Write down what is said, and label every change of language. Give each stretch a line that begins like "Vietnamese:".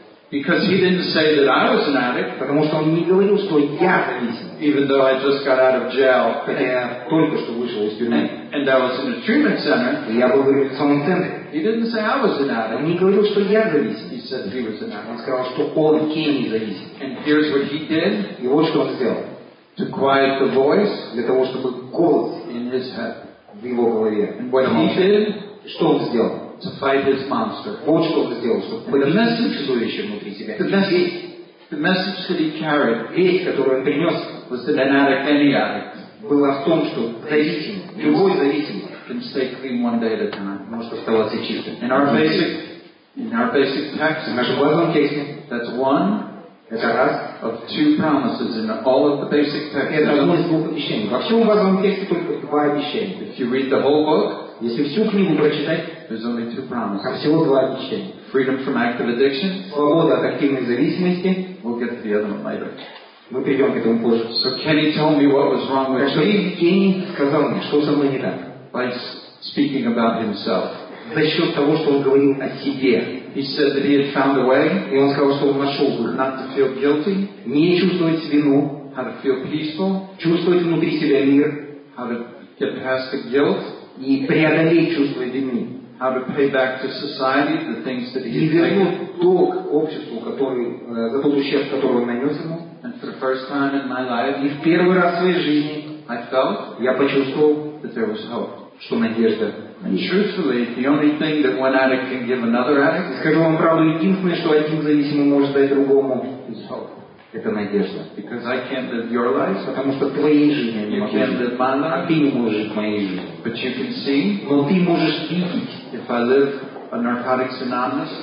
English: Because he didn't say that I was an addict.
Russian: Потому что он не говорил, что я зависим.
English: Even though I just got out of jail.
Russian: Хотя я только что вышел из тюрьмы.
English: And I was in a treatment center.
Russian: И я был в реабилитационном центре.
English: He didn't say I was an addict.
Russian: Он не говорил, что я зависим.
English: He said he was an addict.
Russian: Он сказал, что он Кенни зависим.
English: And here's what he did.
Russian: И вот что он сделал.
English: To quiet the voice,
Russian: для того чтобы голос
English: in his head,
Russian: в его голове.
English: And what he did,
Russian: что он сделал?
English: To fight his monster.
Russian: Вот что он сделал, чтобы поднять чудовище внутри себя.
English: The message that he carried,
Russian: весть, которую он принес,
English: was that an addict, any addict,
Russian: была в том, что зависимый, любой зависимый,
English: can stay clean one day at a time,
Russian: может оставаться чистым.
English: In our basic text,
Russian: в нашем базовом тексте,
English: that's one.
Russian: Это раз.
English: Of two promises in all of the basic texts.
Russian: Это одно из двух обещаний. Во всем базовом тексте только два обещания.
English: If you read the whole book,
Russian: если всю книгу прочитать,
English: there's only two promises.
Russian: А всего два обещания.
English: Freedom from active addiction.
Russian: Свобода от активной зависимости.
English: We'll get to the other one later.
Russian: Мы перейдем к этому позже.
English: So Kenny told me what was wrong with me.
Russian: Кенни сказал мне, что со мной не так.
English: By speaking about himself.
Russian: За счет того, что он говорил о себе.
English: He said that he had found a way.
Russian: И он сказал, что он нашел выход.
English: Not to feel guilty.
Russian: Не чувствовать вину.
English: How to feel peaceful.
Russian: Чувствовать внутри себя мир.
English: How to get past the guilt.
Russian: И преодолеть чувство вины.
English: How to pay back to society the things that he
Russian: И вернуть долг обществу, за тот ущерб, который он нанес ему.
English: And for the first time in my life.
Russian: И в первый раз в своей жизни.
English: I felt.
Russian: Я почувствовал.
English: That there was hope.
Russian: Что надежда.
English: And truthfully, the only thing that one addict can give another addict.
Russian: Скажу вам правду, единственное, что один зависимый может дать другому,
English: is hope.
Russian: Это надежда.
English: Because I can't live your life.
Russian: Потому что твоей жизни не могу.
English: You can't live my life.
Russian: А ты не можешь жить моей жизнью.
English: But you can see.
Russian: Но ты можешь видеть.
English: If I live a Narcotics Anonymous.